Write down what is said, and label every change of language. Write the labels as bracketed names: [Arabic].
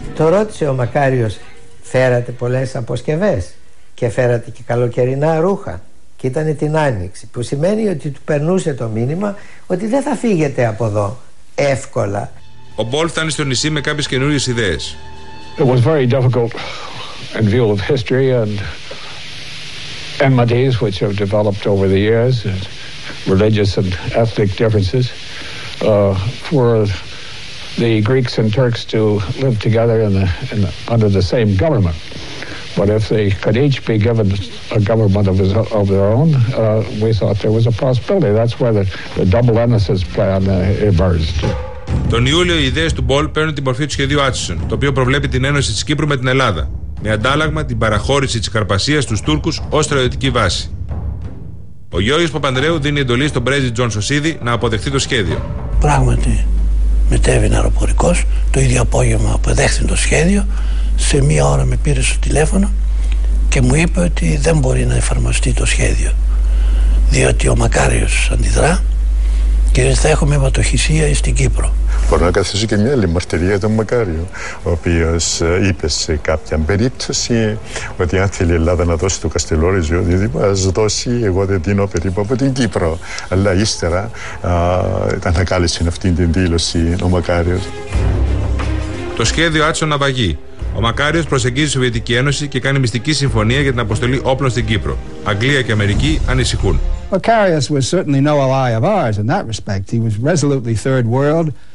[Greek] Το ρώτησε ο Μακάριος, φέρατε πολλές αποσκευές και φέρατε και καλοκαιρινά ρούχα και ήταν την άνοιξη, που σημαίνει ότι του περνούσε το μήνυμα ότι δεν θα φύγετε από εδώ εύκολα. Ο Ball φτάνει στο νησί με κάποιες καινούριες ιδέες. [English] It was very difficult in view of history and enmities which have developed over the years, religious and ethnic differences, for the Greeks and Turks to live together under the same government. But if they could each be given a government of their own, we thought there was a possibility. That's where the double Ennis's plan emerged. [Greek] Τον Ιούλιο, οι ιδέες του Ball παίρνουν την μορφή του σχεδίου Άτσισον, το οποίο προβλέπει την ένωση της Κύπρου με την Ελλάδα, με αντάλλαγμα την παραχώρηση της Καρπασίας στους Τούρκους ως στρατιωτική βάση. Ο Γιώργος Παπανδρέου δίνει εντολή στον πρέσβη Τζον Σωσίδη να αποδεχθεί το σχέδιο. Πράγματι, μετέβαινε αεροπορικός, το ίδιο απόγευμα αποδέχθηκε το σχέδιο, σε μία ώρα με πήρε στο τηλέφωνο και μου είπε ότι δεν μπορεί να εφαρμοστεί το σχέδιο, διότι ο Μακάριος αντιδρά και θα έχουμε βατοχυσία στην Κύπρο. Μπορώ να καθίσω και μια άλλη μαρτυρία για τον Μακάριο, ο οποίος είπε σε κάποια περίπτωση ότι αν θέλει η Ελλάδα να δώσει το Καστελόριζο, δηλαδή ας δώσει, εγώ δεν δίνω περίπου από την Κύπρο. Αλλά ύστερα ανακάλυψε αυτή την δήλωση ο Μακάριος. Το σχέδιο άτσον αβαγεί. Ο Μακάριος προσεγγίζει τη Σοβιετική Ένωση και κάνει μυστική συμφωνία για την αποστολή όπλων στην Κύπρο. Αγγλία και Αμερική ανησυχούν. [English] Μακάριος was certainly no ally of ours in that respect. He was resolutely third world.